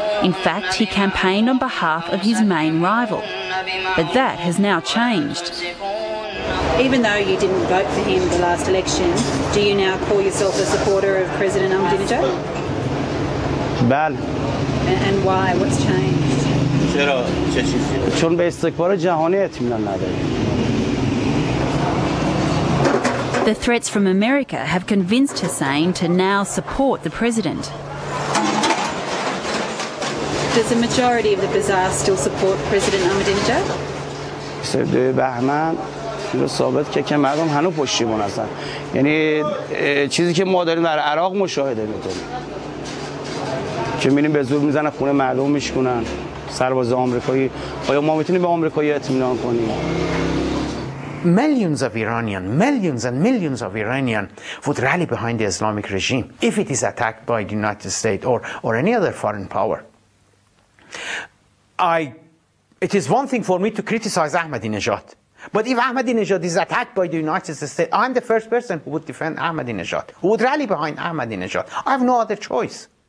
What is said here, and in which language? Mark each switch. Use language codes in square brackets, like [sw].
[en] In fact, he campaigned on behalf of his main rival. But that has now changed. Even though you didn't vote for him in the last election, do you now call yourself a supporter of President Ahmadinejad? [fa] Bal. [en] And why? What's changed? [fa] چون به استکبار جهانی اطمینان نداریم. [en] The threats from America have convinced Hussein to now support the president. Does the majority of the bazaar still support President Ahmadinejad? [fa] سبب بهمن رو ثابت که مردم هنوز پشتیبان هستن. یعنی چیزی که ما داریم در عراق مشاهده می‌کنیم. که می‌بینیم به زور می‌زنن خونه مردم می‌شکنن. سرباز آمریکایی آیا ما می‌تونیم به آمریکایی اطمینان کنیم؟ [en] Millions of Iranians, millions and millions of Iranians would rally behind the Islamic regime if it is attacked by the United States or any other foreign power. It is one thing for me to criticize Ahmadinejad, but if Ahmadinejad is attacked by the United States, I'm the first person who would defend Ahmadinejad, who would rally behind Ahmadinejad. I have no other choice.